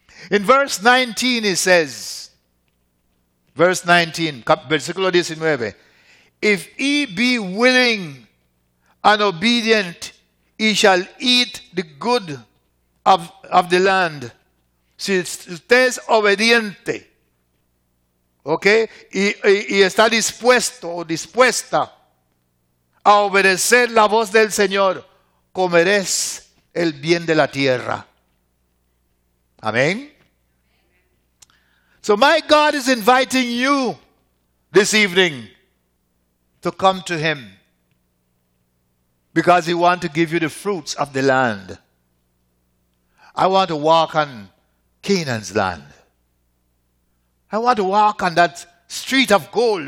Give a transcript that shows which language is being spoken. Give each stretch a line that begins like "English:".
English: In verse 19, he says, verse 19,
Spanish: versículo 19,
English: if he be willing and obedient, he shall eat the good of the land.
Spanish: Si usted es obediente, okay, y está dispuesto o dispuesta a obedecer la voz del Señor, comeréis el bien de la tierra. Amén.
English: So my God is inviting you this evening to come to Him, because He wants to give you the fruits of the land. I want to walk on Canaan's land. I want to walk on that street of gold.